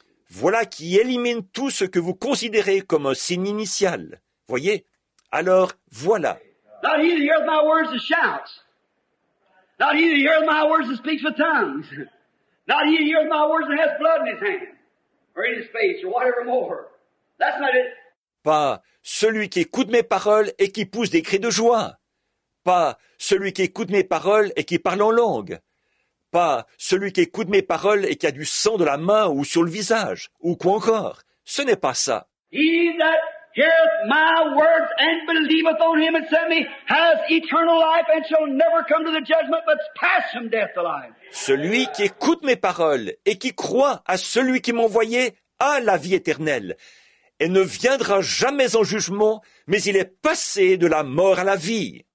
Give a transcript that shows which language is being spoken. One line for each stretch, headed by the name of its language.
French: Voilà qui élimine tout ce que vous considérez comme un signe initial. Voyez? Alors, voilà.
English: Not he that heareth my words and shouts. Not he that heareth my words and speaks with tongues. Not he that heareth my words and has blood in his hand. Or in his face, or whatever more. That's not it.
French: Pas celui qui écoute mes paroles et qui pousse des cris de joie. pas celui qui écoute mes paroles et qui parle en langue. Pas celui qui écoute mes paroles et qui a du sang de la main ou sur le visage, ou quoi encore. Ce n'est pas ça.
English: He that heareth my words and believeth on him that sent me has eternal life and shall never come to the judgment, but pass from death to life.
French: Celui qui écoute mes paroles et qui croit à celui qui m'a envoyé a la vie éternelle et ne viendra jamais en jugement, mais il est passé de la mort à la vie.